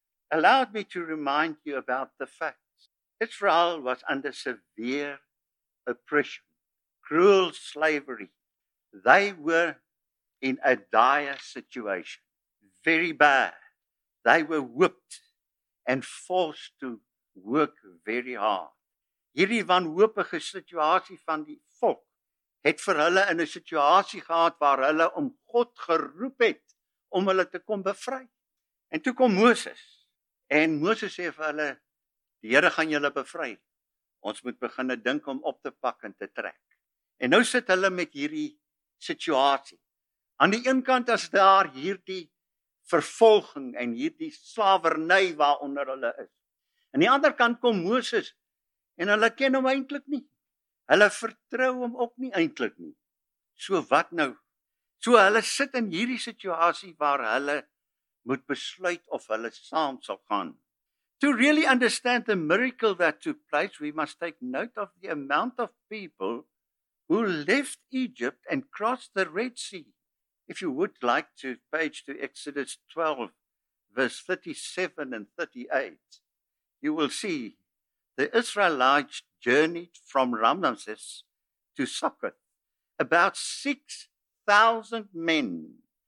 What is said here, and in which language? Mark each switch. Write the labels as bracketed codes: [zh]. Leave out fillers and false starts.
[en] Allow me to remind you about the fact. Israel was under severe oppression, cruel slavery. They were in a dire situation, very bad. They were whipped and forced to work very hard. [af] Hierdie wanhopige situasie van die volk het vir hulle in 'n situasie gehad waar hulle om God geroep het om hulle te kom bevry. En toe kom Moses, en Moses sê vir hulle, die Here gaan julle bevry. Ons moet begin dink om op te pak en te trek. En nou sit hulle met hierdie situasie. Aan die een kant is daar hierdie vervolging en hierdie slawerny waaronder hulle is. Aan die ander kant kom Moses en hulle ken hom eintlik nie. Hulle vertrou hom ook nie eintlik nie. So wat nou? So hulle sit in hierdie situasie waar hulle moet besluit of hulle saam sal gaan. [en] To really understand the miracle that took place, we must take note of the amount of people who left Egypt and crossed the Red Sea. If you would like to page to Exodus 12, verse 37 and 38, you will see the Israelites journeyed from Ramses to Succoth, about 6,000 men.